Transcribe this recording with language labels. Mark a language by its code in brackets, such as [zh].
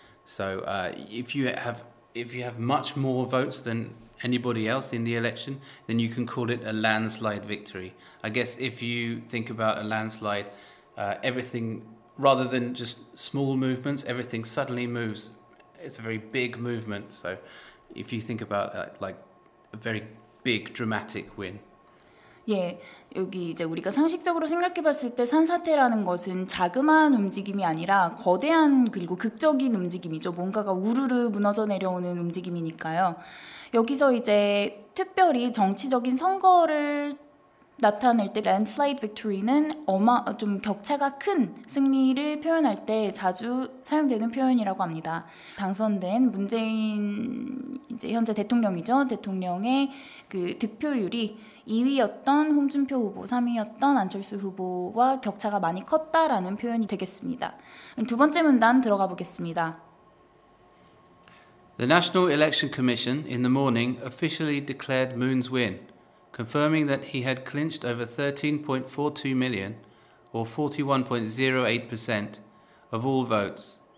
[en] So if you have much more votes than anybody else in the election, then you can call it a landslide victory. I guess if you think about a landslide, everything, rather than just small movements, everything suddenly moves. It's a very big movement. So if you think about like a very big, dramatic win. [ko] 예, 여기 이제 우리가 상식적으로 생각해 봤을 때 산사태라는 것은 자그마한 움직임이 아니라 거대한 그리고 극적인 움직임이죠. 뭔가가 우르르 무너져 내려오는 움직임이니까요. 여기서 이제 특별히 정치적인 선거를 나타낼 때 landslide victory는 좀 격차가 큰 승리를 표현할 때 자주 사용되는 표현이라고 합니다. 당선된 문재인 이제 현재 대통령이죠. 대통령의 그 득표율이 2위였던 홍준표 후보, 3위였던 안철수 후보와 격차가 많이 컸다라는 표현이 되겠습니다. 두 번째 문단 들어가 보겠습니다. [en] The National Election Commission in the morning officially declared Moon's win, confirming that he had clinched over 13.42 million, or 41.08% of all votes.